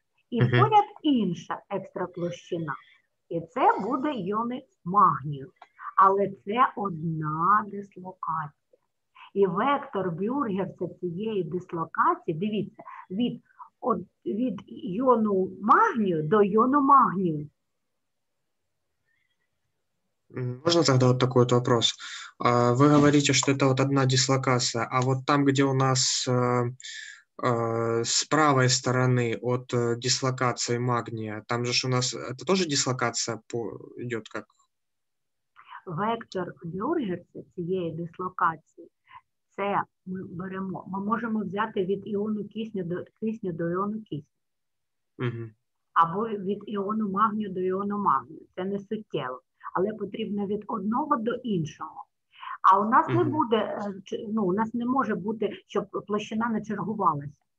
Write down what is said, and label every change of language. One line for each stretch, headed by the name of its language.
Ukrainian: І поряд інша екстра площина. І це буде іони магнію. Але це одна дислокація. І вектор Бюргерса цієї дислокації, дивіться, від іону магнію до іону магнію.
Russian: Можно тогда вот такой вот вопрос? Вы говорите, что это вот одна дислокация, а вот там, где у нас с правой стороны от дислокации магния, там же у нас это тоже дислокация идет как?
Ukrainian: Вектор Бюргерса цієї дислокації, це ми беремо, ми можемо взяти від іону кисню до іону кисню. Або від іону магнію до іону магнію. Це не суттєво. Але потрібно від одного до іншого. А у нас не буде, ну, у нас не може бути, щоб площина не чергувалася.